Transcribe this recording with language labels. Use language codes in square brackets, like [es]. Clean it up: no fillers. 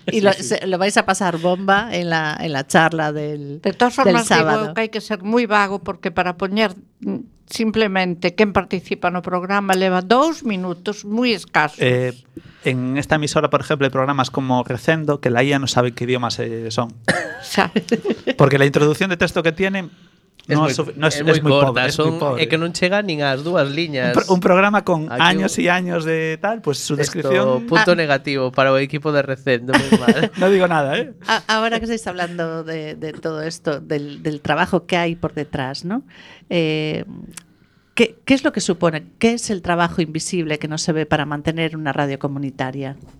[es] Y lo vais a pasar bomba en la charla del sábado. De todas formas, digo que hay que ser muy vago, porque para poner simplemente quién participa en el programa lleva 2 minutos muy escasos. En esta emisora, por ejemplo, hay programas como Recendo, que la IA no sabe qué idiomas son. Porque la introducción de texto que tienen... Es muy corta, [gl] é que non chega nin ás dúas liñas. [es] Un programa con aquí años e años de tal, pues su descripción. [gl] Punto negativo para o equipo de recendo, [es] muy mal. No digo nada, ¿eh? Ahora que estáis hablando de todo esto, del trabajo que hay por detrás, ¿no? ¿Qué es lo que supone? ¿Qué es el trabajo invisible que no se ve para mantener una radio comunitaria?